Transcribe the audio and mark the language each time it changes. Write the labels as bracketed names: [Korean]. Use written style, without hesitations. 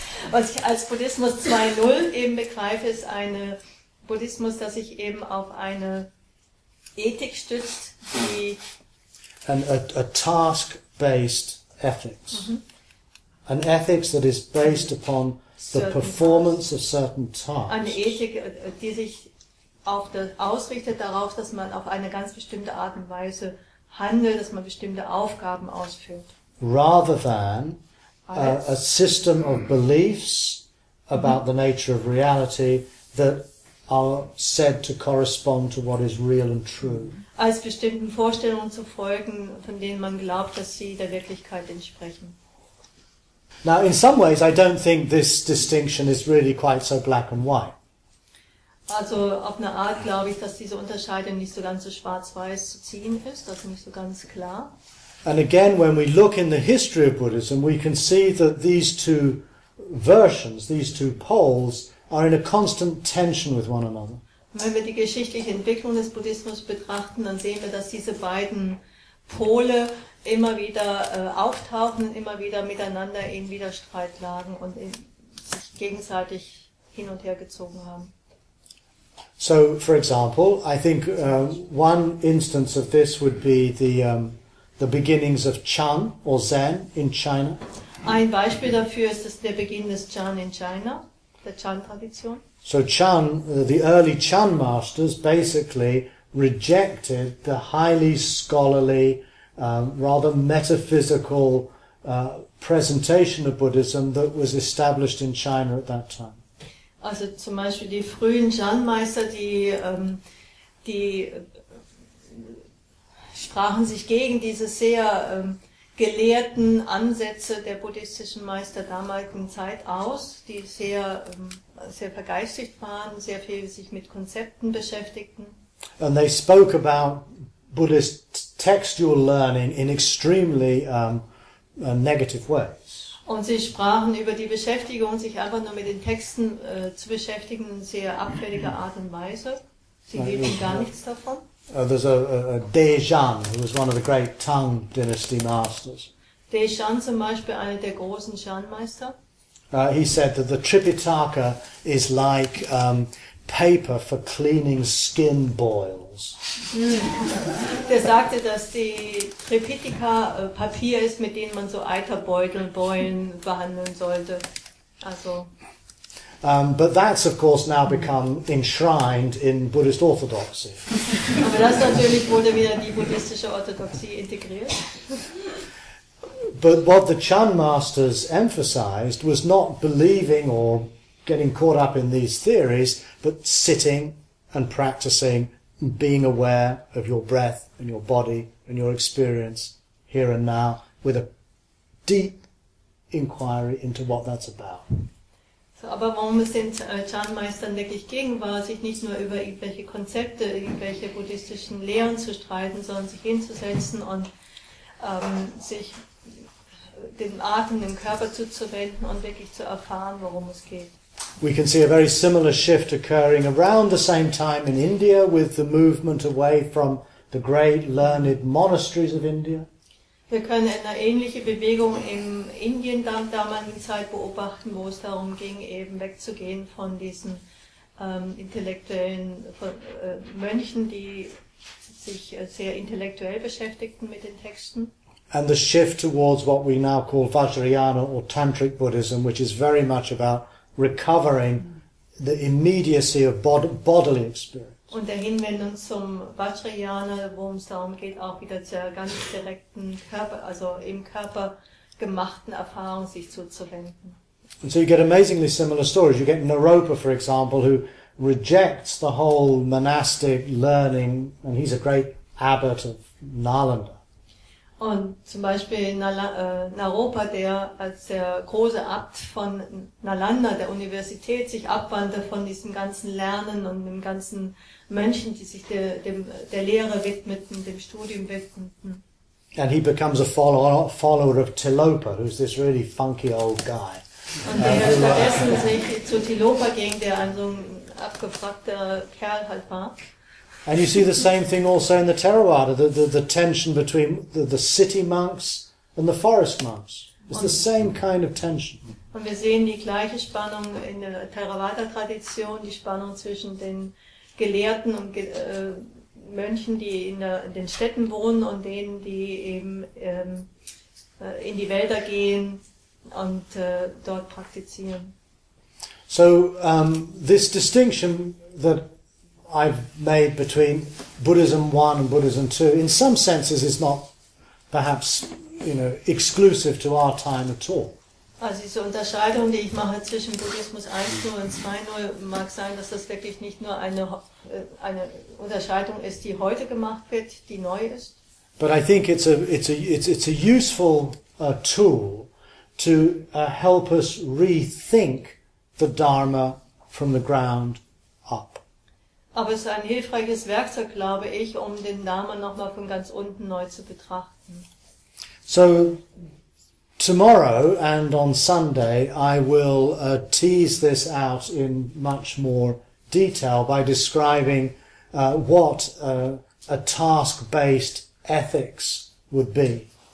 [German] Was ich als Buddhismus 2.0 eben begreife, ist ein Buddhismus, das sich eben auf eine Ethik stützt, die. [English] A task-based ethics. Mm-hmm. An ethics that is based upon the performance of certain tasks. [German] Eine Ethik, die sich auf das ausrichtet darauf, dass man auf eine ganz bestimmte Art und Weise handelt, dass man bestimmte Aufgaben ausführt. [English] Rather than a system of beliefs about the nature of reality that are said to correspond to what is real and true. [German] Als bestimmten Vorstellungen zu folgen, von denen man glaubt, dass sie der Wirklichkeit entsprechen. [English] Now, in some ways, I don't think this distinction is really quite so black and white. [German] Also auf eine Art glaube ich, dass diese Unterscheidung nicht so ganz so schwarz-weiß zu ziehen ist, das ist nicht so ganz klar. [English] And again, when we look in the history of Buddhism, we can see that these two versions, these two poles, are in a constant tension with one another. [German] Wenn wir die geschichtliche Entwicklung des Buddhismus betrachten, dann sehen wir, dass diese beiden Pole immer wieder auftauchen, immer wieder miteinander in Widerstreit lagen und sich gegenseitig hin und her gezogen haben. [English] So, for example, I think one instance of this would be the beginnings of Chan or Zen in China. [German] Ein Beispiel dafür ist das der Beginn des Chan in China, der Chan-Tradition. [English] So Chan, the early Chan masters basically rejected the highly scholarly, rather metaphysical presentation of Buddhism that was established in China at that time. [German] Also zum Beispiel die frühen Chan-Meister, die sprachen sich gegen diese sehr gelehrten Ansätze der buddhistischen Meister damaligen Zeit aus, die sehr sehr vergeistigt waren, sehr viel sich mit Konzepten beschäftigten. [English] And they spoke about Buddhist textual learning in extremely negative ways. [German] Und sie sprachen über die Beschäftigung, sich einfach nur mit den Texten zu beschäftigen, in sehr abfälliger Art und Weise. Sie lieben gar nichts davon. [English] There's a Dejan, who was one of the great Tang Dynasty masters. [German] Dejan zum Beispiel, einer der großen Shan-Meister. [English] He said that the Tripitaka is like paper for cleaning skin boils. [German] Der sagte, dass die Tripitaka Papier ist, mit dem man so Eiterbeutel beulen behandeln sollte. Also. [English] But that's of course now become enshrined in Buddhist orthodoxy. [German] Aber das natürlich wurde wieder in die buddhistische Orthodoxie integriert. [English] But what the Chan masters emphasized was not believing or getting caught up in these theories, but sitting and practicing, being aware of your breath and your body and your experience here and now with a deep inquiry into what that's about. [German] So, aber warum es den Chan-Meistern wirklich ging, war sich nicht nur über irgendwelche Konzepte, irgendwelche buddhistischen Lehren zu streiten, sondern sich hinzusetzen und sich dem Atem, dem Körper zuzuwenden und wirklich zu erfahren, worum es geht. [English] We can see a very similar shift occurring around the same time in India with the movement away from the great learned monasteries of India. [German] Wir können eine ähnliche Bewegung in Indien damaligen Zeit beobachten, wo es darum ging, eben wegzugehen von diesen intellektuellen Mönchen, die sich sehr intellektuell beschäftigten mit den Texten. [English] And the shift towards what we now call Vajrayana or Tantric Buddhism, which is very much about recovering the immediacy of bodily experience. [German] Und der Hinwendung zum Vajrayana, wo es darum geht, auch wieder zur ganz direkten Körper, also im Körper gemachten Erfahrung sich zuzuwenden. [English] And so you get amazingly similar stories. You get Naropa, for example, who rejects the whole monastic learning, and he's a great abbot of Nalanda. [German] Und zum Beispiel Naropa, der als der große Abt von Nalanda, der Universität, sich abwandte von diesem ganzen Lernen und dem ganzen Mönchen, die sich der Lehre widmeten, dem Studium widmeten. [English] And he becomes a follower of Tilopa, who's this really funky old guy. [German] Und der stattdessen sich zu Tilopa ging, der ein so ein abgefragter Kerl halt war. [English] And you see the same thing also in the Theravada, the tension between the city monks and the forest monks. It's the same kind of tension. [German] Und wir sehen die gleiche Spannung in der Theravada-Tradition, die Spannung zwischen den Gelehrten und Mönchen, die in den Städten wohnen und denen, die eben in die Wälder gehen und dort praktizieren. [English] So this distinction that I've made between Buddhism 1 and Buddhism 2, in some senses is not perhaps, you know, exclusive to our time at all. [German] Also diese Unterscheidung, die ich mache zwischen Buddhismus 1.0 und 2.0, mag sein, dass das wirklich nicht nur eine Unterscheidung ist, die heute gemacht wird, die neu ist. [English] But I think it's a useful tool to help us rethink the Dharma from the ground up. [German] Aber es ist ein hilfreiches Werkzeug, glaube ich, um den Dharma nochmal von ganz unten neu zu betrachten. [English] So, tomorrow and on Sunday, I will tease this out in much more detail by describing what a task-based ethics would be.